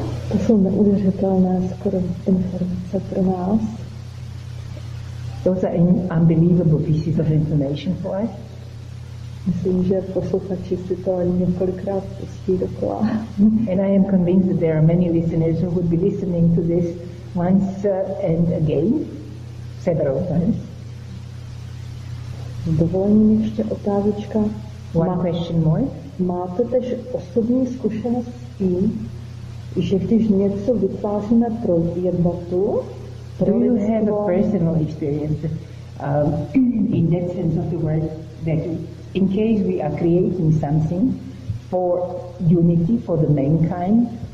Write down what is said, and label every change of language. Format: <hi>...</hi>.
<cs>To sú neuvěřitelné skoro informace pro nás.</cs> <en>Those are unbelievable pieces of information for us.</en> <cs>Myslím, že posluchači si to ani několikrát pustí dokola.</cs> <en>And I am convinced that there are many listeners who would be listening to this once and again, several times.</en> <cs>Dovolení mi ještě otázka.</cs> <en>One question more.</en> <cs>Máte tež osobní zkušenost s tím, že když něco vytváříme pro jednotu,</cs> <en>do you have a personal experience in that sense of the word that in case we are creating something for unity, for the mankind,</en>